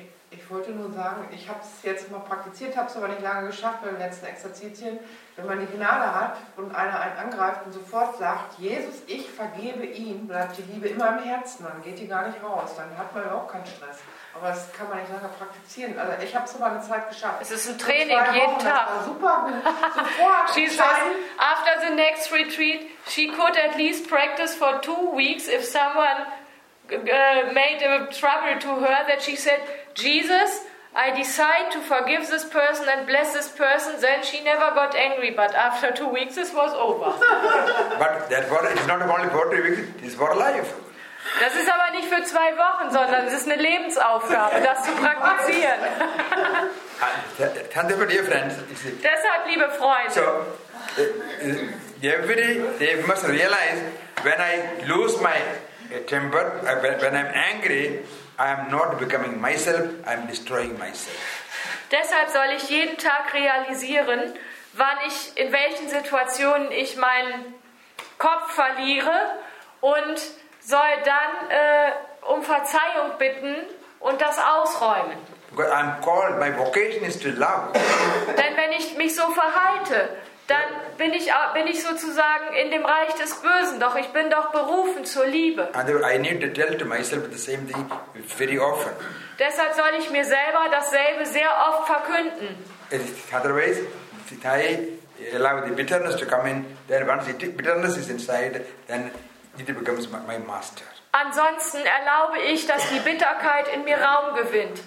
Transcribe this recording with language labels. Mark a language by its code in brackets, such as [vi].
[de] Ich wollte nur sagen, ich habe es jetzt mal praktiziert, habe es aber nicht lange geschafft bei den letzten Exerzitien. Wenn man die Gnade hat und einer einen angreift und sofort sagt, Jesus, ich vergebe ihm, bleibt die Liebe immer im Herzen, dann geht die gar nicht raus, dann hat man überhaupt keinen Stress. Aber das kann man nicht lange praktizieren. Also ich habe es aber eine Zeit geschafft. Es ist ein Training jeden Wochen, Tag. Das war super gut. Sofort. [en] She says, after the next retreat, she could at least practice for 2 weeks if someone made a trouble to her, that she said, Jesus, I decide to forgive this person and bless this person. Then she never got angry, but after 2 weeks, this was over. But that for, it's not only for 2 weeks, it's for life. [de] Das ist aber nicht für 2 Wochen, sondern es ist eine Lebensaufgabe, das zu praktizieren. [en] Tante, but dear friends, [de] deshalb, liebe Freunde, [en] so, everybody, they must realize, when I lose my temper, when I'm angry, I am not becoming myself, I am destroying myself. [de] Deshalb soll ich jeden Tag realisieren, wann ich, in welchen Situationen ich meinen Kopf verliere und soll dann um Verzeihung bitten und das ausräumen. [en] Because I'm called, my vocation is to love. [de] Denn wenn ich mich so verhalte, dann bin ich sozusagen in dem Reich des Bösen, doch ich bin doch berufen zur Liebe. [en] And I need to tell to myself the same thing very often. [de] Deshalb soll ich mir selber dasselbe sehr oft verkünden. [en] Otherwise, if I allow the bitterness to come in, then once the bitterness is inside, then it becomes my master. [de] Ansonsten erlaube ich, dass die Bitterkeit in mir Raum gewinnt.